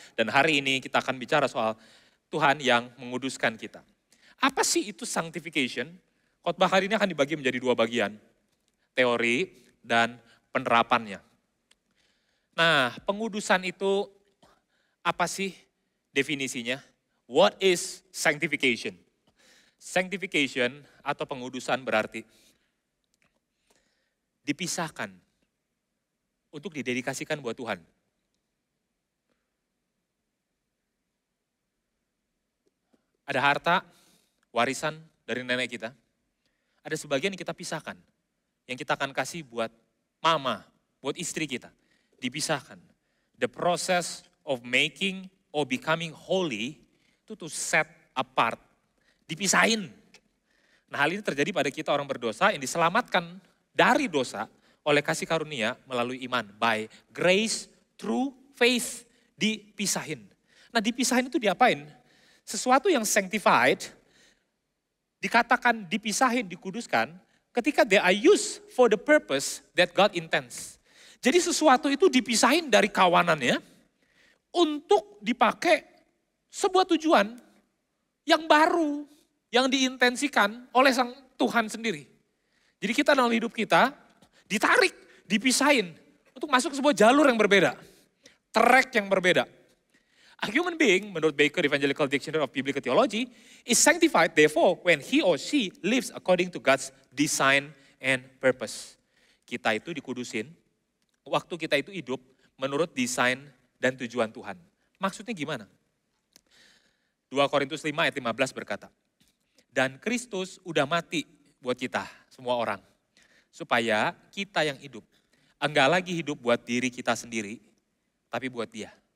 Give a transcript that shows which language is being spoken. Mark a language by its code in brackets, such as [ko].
[id] Dan hari ini kita akan bicara soal Tuhan yang menguduskan kita. Apa sih itu sanctification? Khotbah hari ini akan dibagi menjadi dua bagian. Teori dan penerapannya. Nah, pengudusan itu apa sih definisinya? [en] What is sanctification? [id] Sanctification atau pengudusan berarti dipisahkan untuk didedikasikan buat Tuhan. Ada harta, warisan dari nenek kita. Ada sebagian yang kita pisahkan. Yang kita akan kasih buat mama, buat istri kita. Dipisahkan. [en] The process of making or becoming holy, [id] itu [en] to set apart. [id] Dipisahin. Nah, hal ini terjadi pada kita orang berdosa yang diselamatkan dari dosa oleh kasih karunia melalui iman, [en] by grace through faith, [id] dipisahin. Nah, dipisahin itu diapain? Sesuatu yang sanctified, dikatakan dipisahin, dikuduskan, ketika [en] they are used for the purpose that God intends. [id] Jadi sesuatu itu dipisahin dari kawanannya, untuk dipakai sebuah tujuan yang baru, yang diintensikan oleh sang Tuhan sendiri. Jadi kita dalam hidup kita, ditarik, dipisahin untuk masuk ke sebuah jalur yang berbeda. Track yang berbeda. [en] A human being, [id] menurut [en] Baker Evangelical Dictionary of Biblical Theology, is sanctified therefore when he or she lives according to God's design and purpose. [id] Kita itu dikudusin, waktu kita itu hidup menurut desain dan tujuan Tuhan. Maksudnya gimana? 2 Korintus 5 ayat 15 berkata, dan Kristus udah mati buat kita, semua orang. Supaya kita yang hidup, enggak lagi hidup buat diri kita sendiri, tapi buat dia.